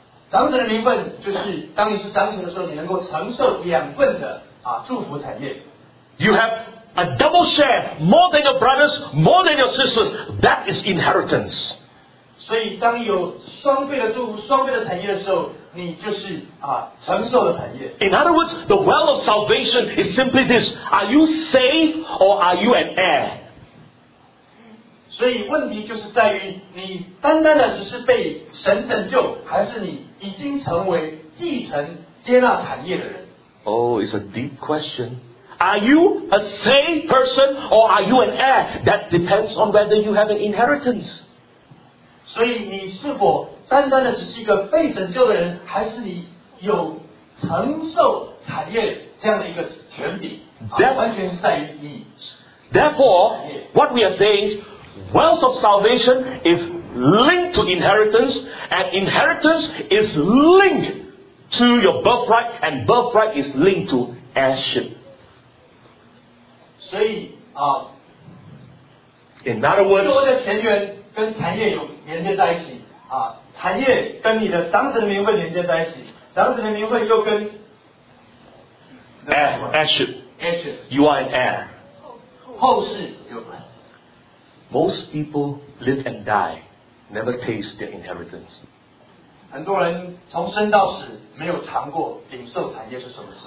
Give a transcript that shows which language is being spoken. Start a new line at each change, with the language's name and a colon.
Chinese: 长子的名分就是当你是长子的时候，你能够承受两份的祝福产业。
English: You have a double share, more than your brothers, more than your sisters. That is inheritance.
Chinese: 所以当你有双倍的祝福、双倍的产业的时候，你就是承受了产业。
English: In other words, the well of salvation is simply this: Are you safe or are you an heir?
Chinese: 所以问题就是在于你单单的只是被神拯救，还是你已经成为继承接纳产业的人。
English: Oh, it's a deep question. Are you a saved person or are you an heir? That depends on whether you have an inheritance.
Chinese: 所以你是否单单的只是一个被拯救的人，还是你有承受产业这样的一个权柄？
English: That
Chinese: 完全是在于你。
English: Therefore, what we are saying is, wealth of salvation is linked to inheritance, and inheritance is linked to your birthright, and birthright is linked to heirship.
Chinese: 所以啊、
English: in other words,
Chinese: 所有的田园跟产业有连接在一起啊，产业跟你的长子的名分连接在一起，长子的名分就跟
English: heirship。 You are an heir.
Chinese: 后世有关。
English: Most people live and die, never taste their inheritance.
Chinese: 很多人从生到死没有尝过领受产业是什么事。